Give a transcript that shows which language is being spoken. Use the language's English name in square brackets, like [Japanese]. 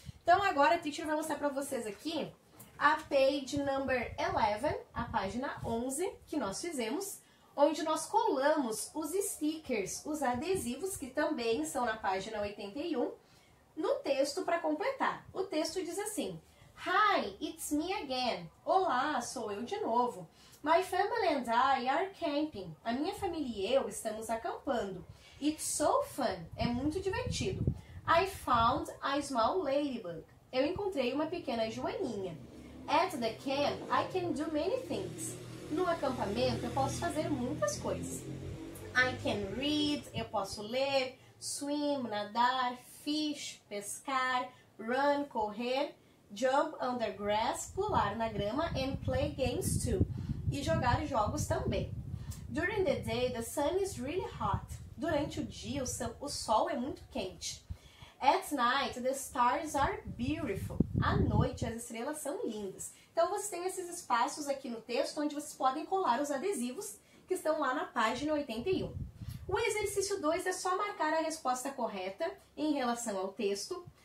[Portuguese] Então, agora a teacher vai mostrar para vocês aqui a page number 11, a página 11 que nós fizemos, onde nós colamos os stickers, os adesivos, que também são na página 81, no texto para completar. O texto diz assim, [English] Hi, it's me again. [Portuguese] Olá, sou eu de novo. [English] My family and I are camping. [Portuguese] A minha família e eu estamos acampando. [English] It's so fun. [Portuguese] É muito divertido. [English] I found a small ladybug. [Portuguese] Eu encontrei uma pequena joaninha. [English] At the camp, I can do many things. [Portuguese] No acampamento, eu posso fazer muitas coisas. [English] I can read. [Portuguese] Eu posso ler, [English] swim, nadar, fish, pescar, run, correr, jump on the grass, [Portuguese] pular na grama, [English] and play games too. [Portuguese] E jogar jogos também. [English] During the day, the sun is really hot. [Portuguese] Durante o dia, o sol é muito quente. [English] At night, the stars are beautiful. [Portuguese] À noite, as estrelas são lindas. Então, você tem esses espaços aqui no texto onde vocês podem colar os adesivos que estão lá na página 81. O exercício 2 é só marcar a resposta correta em relação ao texto.